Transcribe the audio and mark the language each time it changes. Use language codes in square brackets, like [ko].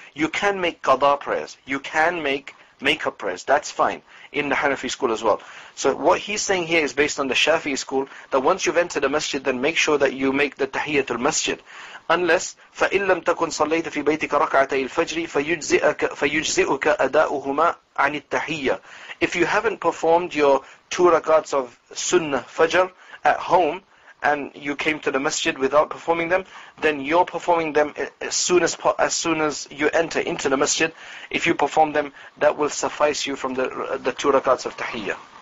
[en] You can make qada prayers. You can make makeup prayers. That's fine in the Hanafi school as well. So what he's saying here is based on the Shafi'i school, that once you've entered the masjid, then make sure that you make the tahiyyatul masjid. Unless [ar] فَإِن لَمْ تَكُنْ صَلَّيْتَ فِي بَيْتِكَ رَكْعَتَيِ الْفَجْرِ فَيُجْزِئُكَ أَدَاؤُهُمَا عَنِ التَّحِيَّةِ. [en] If you haven't performed your two rakats of sunnah fajr at home, and you came to the masjid without performing them, then you're performing them as soon as you enter into the masjid. If you perform them, that will suffice you from the two rakats of tahiyyah.